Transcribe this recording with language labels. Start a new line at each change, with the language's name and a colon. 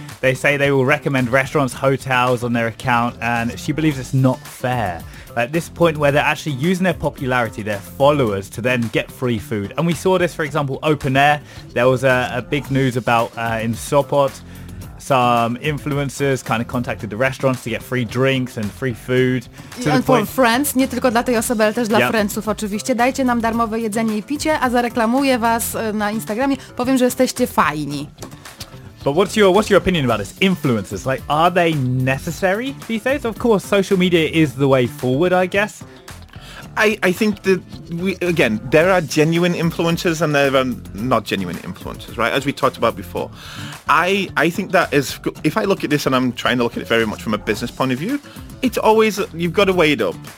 English: They say they will recommend restaurants, hotels on their account, and she believes it's not fair. At this point where they're actually using their popularity, their followers, to then get free food. And we saw this, for example, Open Air. There was a big news about in Sopot, some influencers kind of contacted the restaurants to get free drinks and free food.
Polish: Friends, nie tylko dla tej osoby, ale też dla friendsów oczywiście. Dajcie nam darmowe jedzenie i picie, a zareklamuję was na Instagramie. Powiem, że jesteście fajni.
English: But what's your opinion about this? Influencers, like, are they necessary these days? Of course, social media is the way forward, I guess. I think that, there are genuine influencers and there are not genuine influencers, right? As we talked about before. I think that if I look at this, and I'm trying to look at it very much from a business point of view, it's always, you've got to weigh it up.